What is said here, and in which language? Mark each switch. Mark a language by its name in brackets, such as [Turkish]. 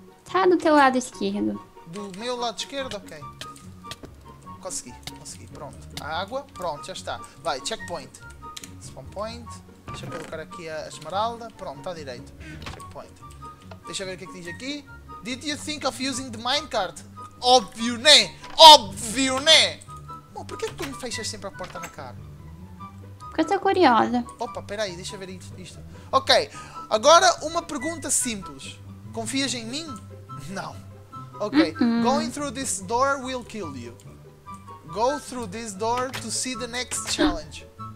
[Portuguese] Tá do teu lado esquerdo. Do meu lado esquerdo? Ok. Consegui. Pronto. A água. Pronto, já está. Vai, checkpoint. Spawn point. Deixa eu colocar aqui a esmeralda. Pronto, está direito. Checkpoint. Deixa eu ver o que é que diz aqui. [English] Did you think of using the minecart? [Portuguese] Óbvio, né? Bom, porquê que tu me fechas sempre a porta na cara? Porque eu estou curiosa. Opa, peraí, deixa eu ver isto. Ok, agora uma pergunta simples. Confias em mim? Não. [English] Ok, Going through this door will kill you. Go through this door to see the next challenge.